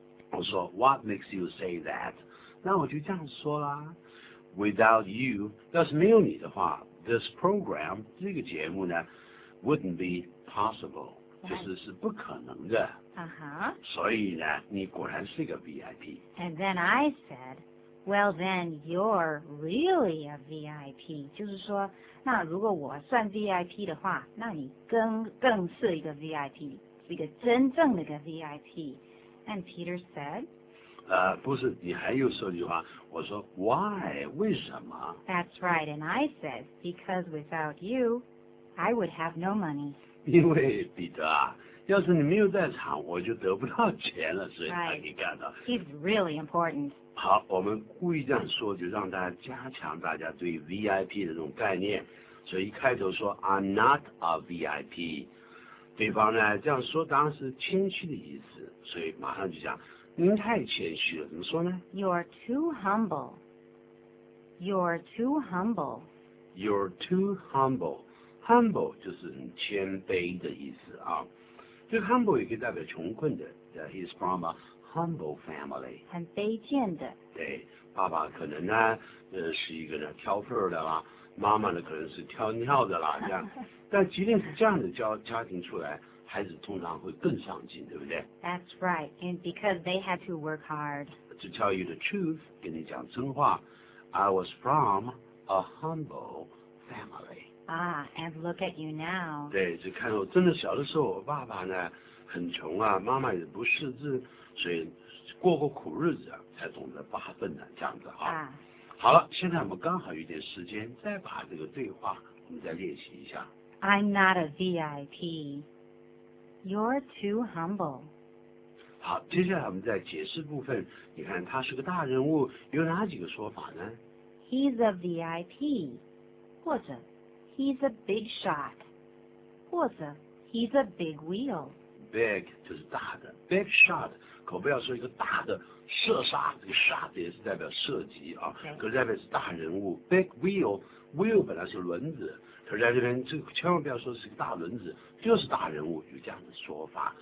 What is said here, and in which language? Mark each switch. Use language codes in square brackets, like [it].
[zh] 我说 [en] what makes you say that? [zh] 那我就这样说啦。 [en] Without you, [zh] 要是没有你的话 [en] this program, [zh] 这个节目呢 [en] wouldn't be possible. [zh] 就是是不可能的。所以呢你果然是一个 VIP. [en] And then I said,Well, then, you're really a VIP. [zh] 就是说，那如果我算 VIP 的话，那你更是一个 VIP, 一个真正的一个 VIP. [en] And Peter said, [zh] 不是，你还有说句话，我说 [en] why, [zh] 为什么？ [en] That's right, and I said, because without you, I would have no money. [zh] 因为彼得啊，要是你没有在场，我就得不到钱了，所以他给干的。 [en] He's really important. [zh] 好，我们故意这样说，就让大家加强大家对 VIP 的这种概念。所以一开头说 [en] I'm not a VIP, [zh] 对方呢这样说当然是谦虚的意思，所以马上就讲您太谦虚了，怎么说呢？ [en] You're too humble. You're too humble. You're too humble. [zh] Humble 就是很谦卑的意思啊。这个 humble 也可以代表穷困的， [en] He's from aHumble family, [zh] 很卑贱的。对，爸爸可能呢，是一个呢挑粪的啦，妈妈呢可能是挑尿的啦，这样。但即便是这样的家庭出来，孩子通常会更上进，对不对 [en] ？That's right, and because they had to work hard. To tell you the truth, [zh] 跟你讲真话 [en] ，I was from a humble family. Ah, and look at you now. [zh] 对，就看我真的小的时候，我爸爸呢很穷啊，妈妈也不识字。所以过过苦日子、啊、才懂得八分的这样子啊。好了，现在我们刚好有点时间，再把这个对话我们再练习一下。 [en] I'm not a VIP. You're too humble. [zh] 好，接下来我们在解释部分，你看他是个大人物，有哪几个说法呢 [en] ？He's a VIP. 或者 ，He's a big shot. 或者 ，He's a big wheel. [zh] Big 就是大的 ，big shot 可不要说一个大的射杀，这个 shot 也是代表射击啊，可代表是大人物。 Big wheel 本来是轮子，可在这边这个千万不要说是个大轮子，就是大人物有这样的说法，